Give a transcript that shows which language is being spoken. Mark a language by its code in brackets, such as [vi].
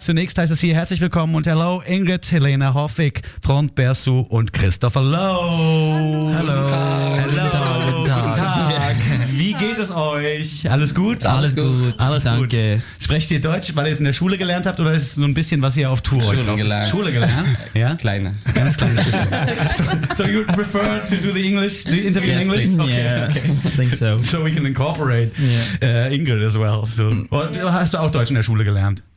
[de] Zunächst heißt es hier herzlich willkommen und hello Ingrid Helene Hoffig, Trond Bersu und Christopher Lowe. Hallo. Hallo. Guten Tag. Guten Tag. Guten Tag. Wie geht es euch? Alles gut? Alles gut. Alles gut. Danke. Sprecht ihr Deutsch, weil ihr es in der Schule gelernt habt, oder ist es so ein bisschen, was ihr auf Tour Schule euch drauf gelernt. Schule gelernt? Ja? Kleine. Ganz kleines bisschen. [en] So you prefer to do the English, the interview yes, in English? Okay. Yeah, okay. I think so. So we can incorporate Ingrid as well. So. [de] Und hast du auch Deutsch in der Schule gelernt?